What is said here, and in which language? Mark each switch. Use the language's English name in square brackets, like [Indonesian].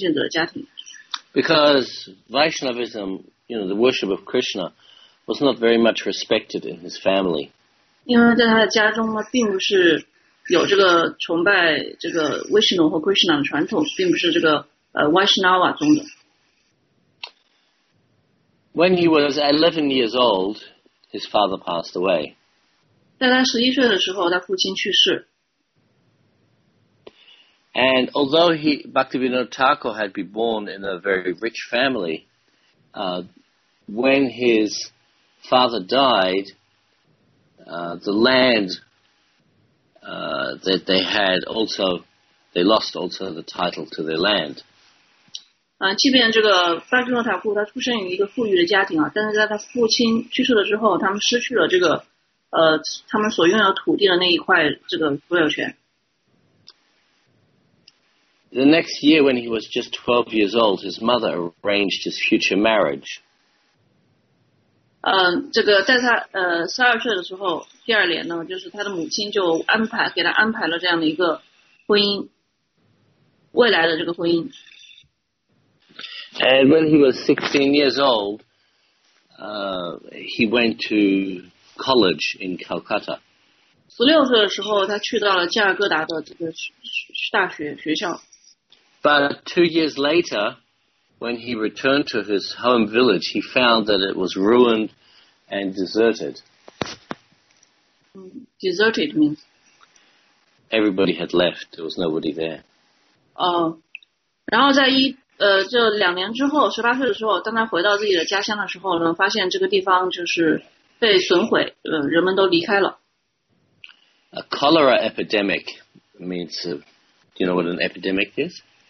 [Chinese] 他实际上当这个1838年这个巴格尼诺塔库出生的时候，他就像是帕兰达一样出生于一个非奉献者的家庭。 [English] Because Vaishnavism, you know, the worship of Krishna was not very much respected in his family. [Chinese] 因为在他的家中呢，并不是有这个崇拜这个 Vishnu 和 Krishna 的传统，并不是这个Vaishnava 宗的。 [English] When he was 11 years old, his father passed away. [Chinese] 在他11岁的时候，他父亲去世。 [English] And although Bhaktivinoda Thakur had been born in a very rich family, when his father died, the land that they had also, they lost also the title to their land. [Chinese] 即便这个巴基诺塔库他出生于一个富裕的家庭啊，但是在他父亲去世了之后，他们失去了这个他们所拥有土地的那一块这个所有权。 [English] The next year, when he was just 12 years old, his mother arranged his future marriage. [Chinese] 这个在他12岁的时候，第二年呢，就是他的母亲就安排给他安排了这样的一个婚姻，未来的这个婚姻。 [English] And when he was 16 years old, he went to college in Calcutta. [Chinese] 16岁的时候，他去到了加尔各答的这个大学学校。 [English] But 2 years later, when he returned to his home village, he found that it was ruined and deserted. Deserted means? Everybody had left. There was nobody there. [Chinese] 然后在这两年之后，18岁的时候，当他回到自己的家乡的时候呢，发现这个地方就是被损毁，人们都离开了。 [English] A cholera epidemic means, do you know what an epidemic is?